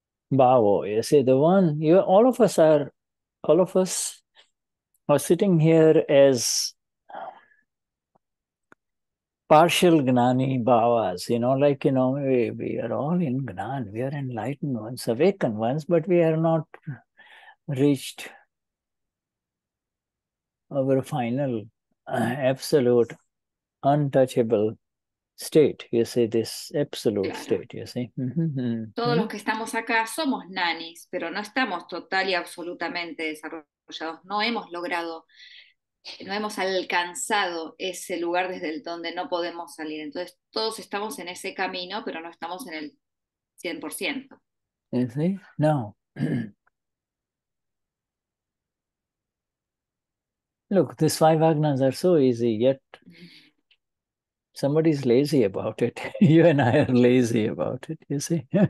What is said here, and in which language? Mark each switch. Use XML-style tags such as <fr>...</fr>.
<en>Bhavo, you see, the one, you all of us are sitting here as partial Gnani Bhavas, you know, like, you know, we are all in Gnan, we are enlightened ones, awakened ones, but we are not reached our final, absolute, untouchable state, you see, this absolute</en> <es>claro.</es> <en>state, you see.</en> <es>Todos los que estamos acá somos nanis, pero no estamos total y absolutamente desarrollados. No hemos logrado, no hemos alcanzado ese lugar desde el donde no podemos salir. Entonces, todos estamos en ese camino, pero no estamos en el 100%.</es> <en>You see? Now, look, these five agnas are so easy, yet somebody's lazy about it. You and I are lazy about it, you see.</en>